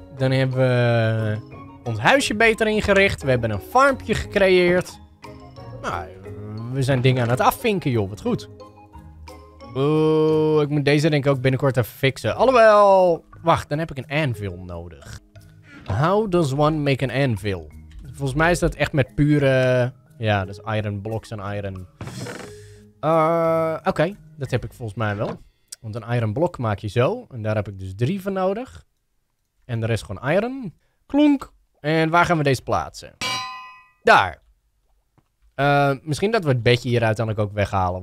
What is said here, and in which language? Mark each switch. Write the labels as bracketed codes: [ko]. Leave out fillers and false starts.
[nl] Dan hebben we ons huisje beter ingericht. We hebben een farmpje gecreëerd. Nou, we zijn dingen aan het afvinken, joh. Wat goed. Oeh, ik moet deze denk ik ook binnenkort even fixen. Alhoewel, wacht, dan heb ik een anvil nodig. [en] How does one make an anvil? [nl] Volgens mij is dat echt met pure... Ja, dus iron blocks en iron... Oké, dat heb ik volgens mij wel. Want een iron blok maak je zo. En daar heb ik dus 3 van nodig. En de rest gewoon iron. Klonk. En waar gaan we deze plaatsen? Daar. Misschien dat we het bedje hier uiteindelijk ook weghalen.